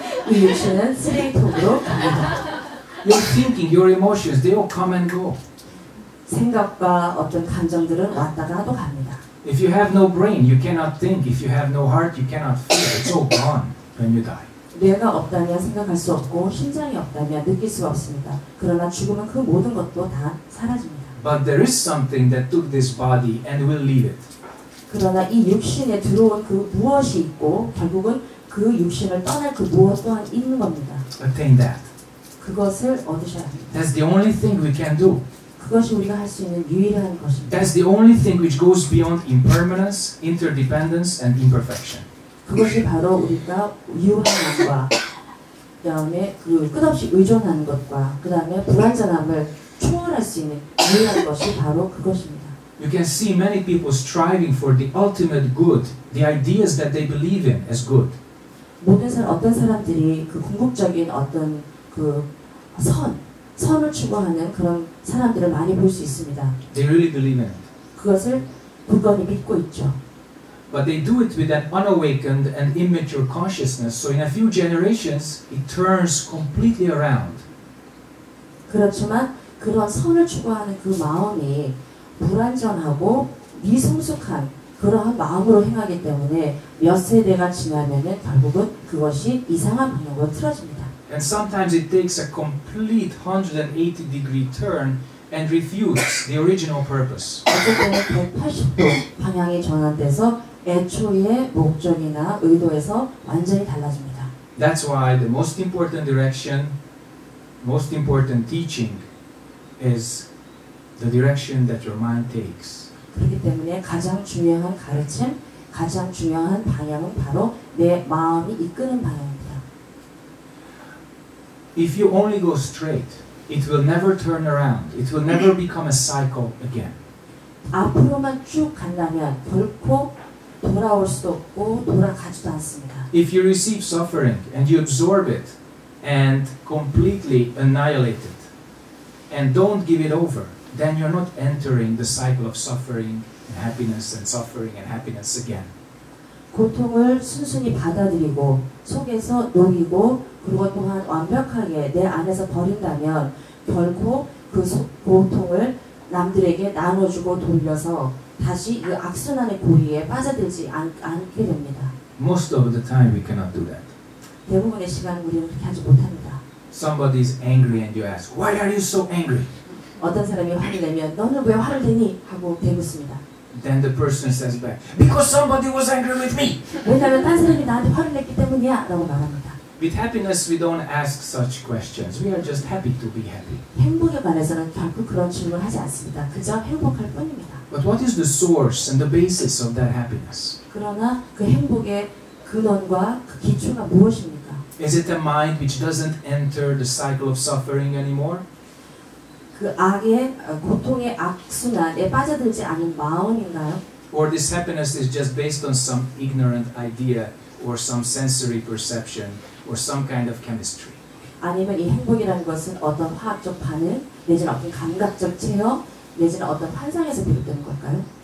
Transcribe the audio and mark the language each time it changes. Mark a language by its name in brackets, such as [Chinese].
[Korean] 이 육신은 쓰레기통으로 갑니다. [English] Your thinking, your emotions, they all come and go. [Korean] 생각과 어떤 감정들은 왔다가 또 갑니다. [English] If you have no brain, you cannot think. If you have no heart, you cannot feel. It's all gone when you die. [Korean] 뇌가 없다면 생각할 수 없고 심장이 없다면 느낄 수가 없습니다. 그러나 죽으면 그 모든 것도 다 사라집니다. [English] But there is something that took this body and will leave it. [Korean] 그러나 이 육신에 들어온 그 무엇이 있고 결국은 그 육신을 떠날 그 무엇 또한 있는 겁니다. [English] Attain that. [Korean] 그것을 얻으셔야 합니다. [English] That's the only thing we can do. [Korean] 그것이 우리가 할 수 있는 유일한 것입니다. [English] That's the only thing which goes beyond impermanence, interdependence, and imperfection. [Korean] 그것이 바로 우리가 유한함과 다음에 그 끝없이 의존하는 것과 그 다음에 불완전함을 초월할 수 있는 유일한 것이 바로 그것입니다. [English] You can see many people striving for the ultimate good, the ideas that they believe in as good. [Korean] 모든 사람 어떤 사람들이 그 궁극적인 어떤 그 선 선을 추구하는 그런 사람들을 많이 볼 수 있습니다. [English] They really believe in it. [Korean] 그것을 굳건히 믿고 있죠. [English] But they do it with an unawakened and immature consciousness. So in a few generations, it turns completely around. [Korean] 그렇지만 그런 선을 추구하는 그 마음이 불완전하고 미성숙한 그러한 마음으로 행하기 때문에 몇 세대가 지나면은 결국은 그것이 이상한 방향으로 틀어집니다. [English] And sometimes it takes a complete 180 degree turn and refutes the original purpose. [Korean] 180도 방향이 전환돼서 애초의 목적이나 의도에서 완전히 달라집니다. [English] That's why the most important direction, most important teaching is the direction that your mind takes. [Korean] 그렇기 때문에 가장 중요한 가르침, 가장 중요한 방향은 바로 내 마음이 이끄는 방향. [English] If you only go straight, it will never turn around. It will never become a cycle again. [Korean] 앞으로만 쭉 간다면 결코 돌아올 수도 없고 돌아가지도 않습니다. [English] If you receive suffering and you absorb it and completely annihilate it and don't give it over, then you're not entering the cycle of suffering and happiness and suffering and happiness again. [Korean] 고통을 순순히 받아들이고 속에서 녹이고 그리고 또한 완벽하게 내 안에서 버린다면 결코 그 고통을 남들에게 나눠주고 돌려서 다시 그 악순환의 고리에 빠져들지 않게 됩니다. [English] Most of the time we cannot do that. [Korean] 대부분의 시간 우리는 그렇게 하지 못합니다. [English] Somebody is angry and you ask, why are you so angry? [Korean] 어떤 사람이 화를 내면 너는 왜 화를 내니? 하고 대묻습니다. [English] Then the person says back, because somebody was angry with me. [Korean] 왜냐하면 다른 사람이 나한테 화를 냈기 때문이야 라고 말합니다. [English] With happiness, we don't ask such questions. We are just happy to be happy. [Korean] 행복에 관해서는 결코 그런 질문을 하지 않습니다. 그저 행복할 뿐입니다. [English] But what is the source and the basis of that happiness? [Korean] 그러나 그 행복의 근원과 그 기초가 무엇입니까? [English] Is it a mind which doesn't enter the cycle of suffering anymore? [Korean] 그 악의 고통의 악순환에 빠져들지 않은 마음인가요? [English] Or this happiness is just based on some ignorant idea or some sensory perception or some kind of chemistry. [Korean] 아니면 이 행복이라는 것은 어떤 화학적 반응, 내지는 어떤 감각적 체험, 내지는 어떤 환상에서 비롯되는 걸까요?